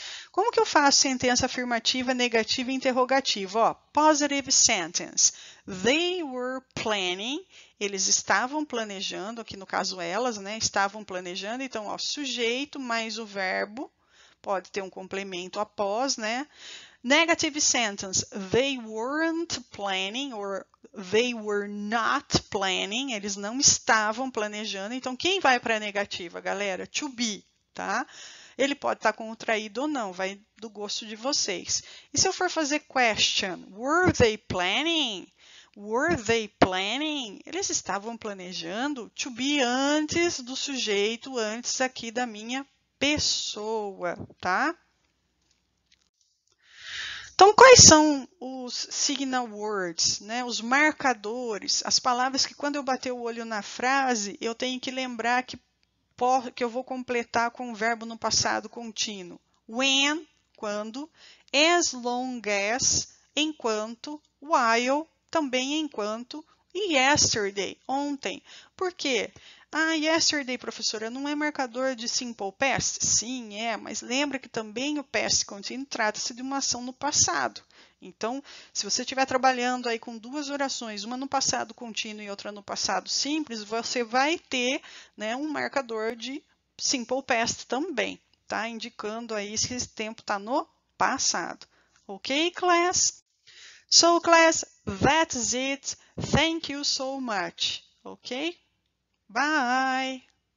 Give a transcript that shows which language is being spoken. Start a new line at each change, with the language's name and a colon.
Portuguese: Como que eu faço sentença afirmativa, negativa e interrogativa? Ó, positive sentence.
English: They were planning.
Portuguese: Eles estavam planejando, aqui no caso elas, né? Estavam planejando. Então, ó, sujeito mais o verbo. Pode ter um complemento após, né?
English: Negative sentence. They weren't planning, or they were not planning.
Portuguese: Eles não estavam planejando. Então, quem vai para a negativa, galera? To be, tá? Ele pode estar contraído ou não, vai do gosto de vocês. E se eu for fazer question,
English: were they planning? Were they planning?
Portuguese: Eles estavam planejando to be antes do sujeito, antes aqui da minha pessoa, tá? Então, quais são os signal words, né? Os marcadores, as palavras que quando eu bater o olho na frase, eu tenho que lembrar que eu vou completar com o verbo no passado contínuo. When, quando,
English: as long as,
Portuguese: enquanto, while, também enquanto, e yesterday, ontem. Por quê? Ah, yesterday, professora, não é marcador de simple past? Sim, é, mas lembra que também o past contínuo trata-se de uma ação no passado. Então, se você estiver trabalhando aí com duas orações, uma no passado contínuo e outra no passado simples, você vai ter, né, um marcador de simple past também, tá? Indicando aí se esse tempo está no passado.
English: Ok, class? So, class, that's it. Thank you so much. Ok? Bye.